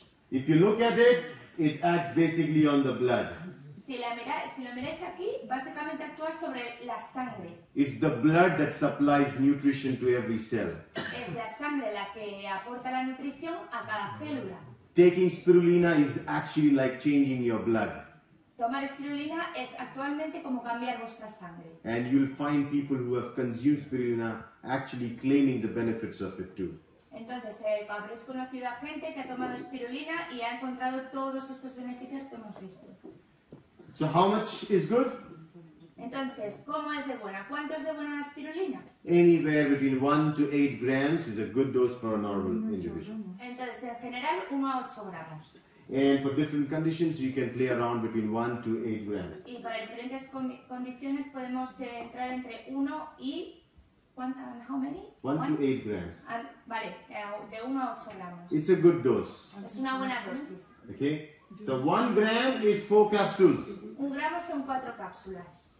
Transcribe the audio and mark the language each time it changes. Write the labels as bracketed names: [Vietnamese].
[English] If you look at it, it acts basically on the blood. [Spanish] Si lo miráis aquí, básicamente actúa sobre la sangre. [English] It's the blood that supplies nutrition to every cell. [Spanish] Es la sangre la que aporta la nutrición a cada célula. [English] Taking spirulina is actually like changing your blood. [Spanish] Tomar espirulina es actualmente como cambiar vuestra sangre. [English] And you'll find people who have consumed spirulina actually claiming the benefits of it too. [Spanish] Entonces, habréis conocido a gente que ha tomado espirulina y ha encontrado todos estos beneficios que hemos visto. [English] So how much is good? [Spanish] Entonces, ¿cómo es de buena? ¿Cuánto es de buena la espirulina? [English] Anywhere between 1 to 8 grams is a good dose for a normal individual. [Spanish] Entonces, en general, 1 a 8 gramos. [English] And for different conditions, you can play around between 1 to 8 grams. [Spanish] Y para diferentes condiciones podemos entrar entre 1 y... [English] How many? 1 to 8 grams. [Spanish] Vale, de 1 a 8 gramos. [English] It's a good dose. [Spanish] Es una buena dosis. [English] Okay? So 1 gram is 4 capsules. [Spanish] Un gramo son 4 cápsulas.